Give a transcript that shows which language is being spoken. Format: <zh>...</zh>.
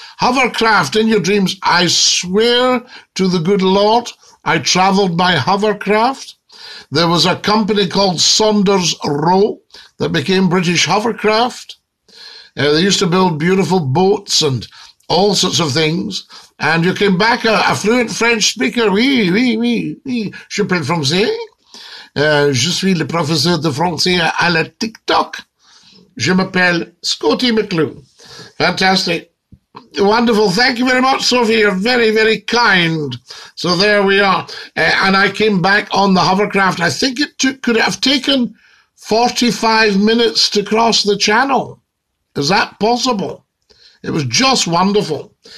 <en>Hovercraft in your dreams. I swear to the good Lord, I travelled by hovercraft. There was a company called Saunders Row that became British Hovercraft. They used to build beautiful boats and all sorts of things. And you came back a fluent French speaker.</en> <fr>Je parle français. Je suis le professeur de français à la TikTok. Je m'appelle Scottie McClue.</fr> <en>Fantastic. Wonderful. Thank you very much, Sophie. You're very, very kind. So there we are. And I came back on the hovercraft. I think it took, could it have taken 45 minutes to cross the channel? Is that possible? It was just wonderful.</en>